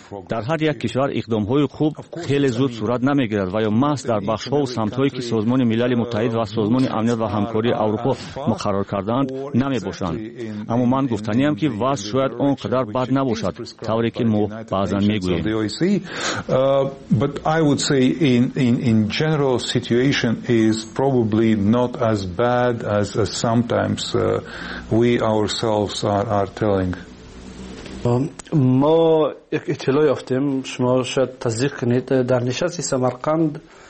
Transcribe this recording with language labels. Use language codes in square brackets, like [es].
[fa] در هر یک کشور اقدام های خوب خیلی زود صورت نمی گیرد و یا محض در بخش ها و سمت هایی که سازمان ملل متحد و سازمان امنیت و همکاری اروپا مقرر کردند نمی باشند. اما من گفتنیم که وضع شاید اونقدر بد نباشد طوری که ما بعضن می گوییم. [en] But I would say in general situation is probably not as bad as sometimes we ourselves are telling. [fa] ما یک اطلاع یافتیم، شما شاید تصدیق کنید، در نشست سمرقند